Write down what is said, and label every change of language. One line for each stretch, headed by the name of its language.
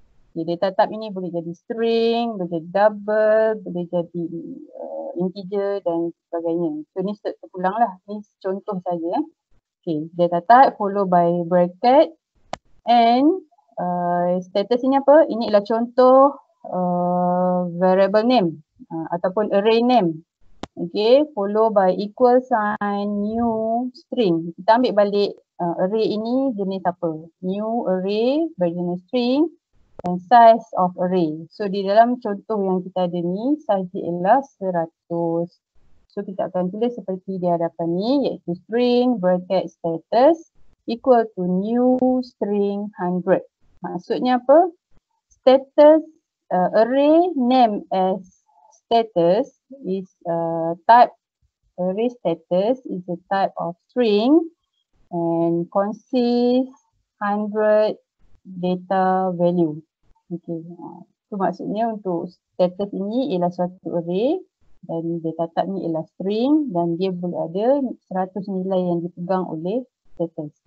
Malay: Okay, data type ini boleh jadi string, boleh jadi double, boleh jadi integer dan sebagainya. So ni terpulang lah. Ni contoh saja. Okay,
English: data type followed by bracket and status
Malay: ini apa? Ini ialah contoh variable name. Ataupun array name.
English: Okay, follow by equal sign new string.
Malay: Kita ambil balik array ini jenis apa?
English: New array
Malay: berjenis
English: string and size of array.
Malay: So di dalam contoh yang kita ada ni, size ialah 100. So kita akan tulis seperti di hadapan ni, iaitu
English: string bracket status equal to new string 100.
Malay: Maksudnya apa?
English: Status array name as status is a type, array status is a type of string and consists 100 data value.
Malay: Okay, so maksudnya untuk status ini ialah suatu array dan data type ni ialah string dan dia boleh ada 100 nilai yang dipegang oleh status.